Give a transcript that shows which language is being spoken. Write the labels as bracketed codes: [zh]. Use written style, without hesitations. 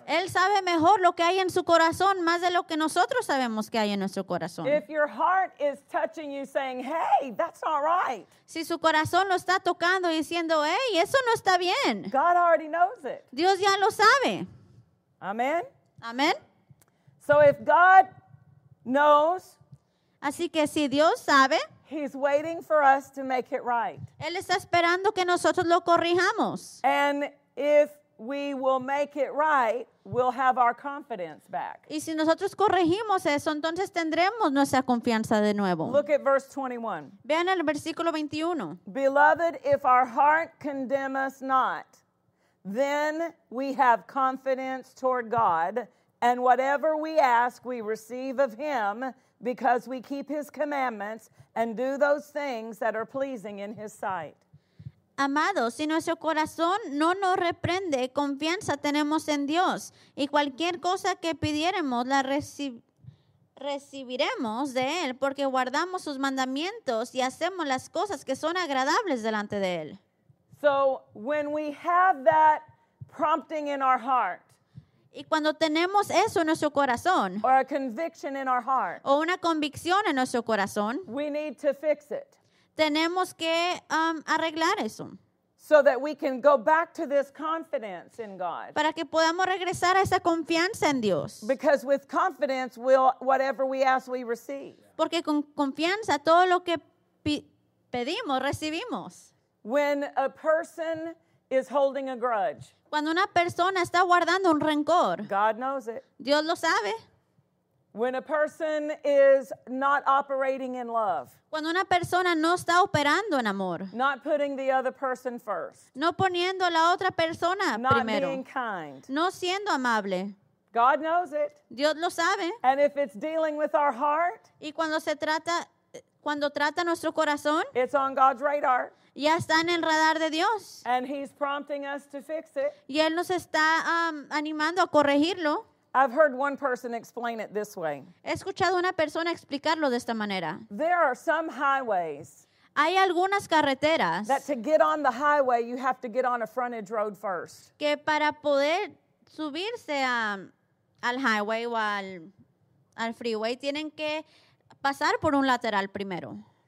[es] Él sabe mejor lo que hay en su corazón más de lo que nosotros sabemos que hay en nuestro corazón. [en] If your heart is touching you saying, hey, that's not right. [es] Si su corazón lo está tocando y diciendo, hey, eso no está bien. [en] God already knows it. [es] Dios ya lo sabe. [en] Amen. [es] Amen. [en] So if God knows. [es] Así que si Dios sabe, [en] He's waiting for us to make it right. [es] Él está esperando que nosotros lo corrijamos. [en] And if we will make it right, we'll have our confidence back. [es] Y si nosotros corregimos eso, entonces tendremos nuestra confianza de nuevo. [en] Look at verse 21. [es] Vean el versículo 21. [en] Beloved, if our heart condemn us not, then we have confidence toward God, and whatever we ask, we receive of Him, because we keep His commandments and do those things that are pleasing in His sight. [es] Amados, si nuestro corazón no nos reprende, confianza tenemos en Dios, y cualquier cosa que pidiéremos la recibiremos de Él, porque guardamos sus mandamientos y hacemos las cosas que son agradables delante de Él. [en] So, when we have that prompting in our heart, [es] y cuando tenemos eso en nuestro corazón, [en] or a conviction in our heart, [es] o una convicción en nuestro corazón, [en] we need to fix it. [es] Tenemos que arreglar eso. [en] So that we can go back to this confidence in God. [es] Para que podamos regresar a esa confianza en Dios. [en] Because with confidence, whatever we ask, we receive. [es] Porque con confianza, todo lo que pedimos, recibimos. [en] When a person is holding a grudge, [es] cuando una persona está guardando un rencor, [en] God knows it. [es] Dios lo sabe. [en] When a person is not operating in love, [es] cuando una persona no está operando en amor, [en] not putting the other person first, [es] no poniendo la otra persona [en] not [es] primero, [en] being kind, [es] no siendo amable, [en] God knows it. [es] Dios lo sabe. [en] And if it's dealing with our heart, [es] y cuando se trata, cuando trata nuestro corazón, [en] it's on God's radar. [es] Ya está en el radar de Dios. [en] And He's prompting us to fix it. [es] Y Él nos está animando a corregirlo. [en] I've heard one person explain it this way. [es] He escuchado una persona explicarlo de esta manera. [en] There are some highways. [es] Hay algunas carreteras. [en] That to get on the highway, you have to get on a frontage road first. [es] Que para poder subirse al highway o al freeway, tienen que pasar por un lateral primero.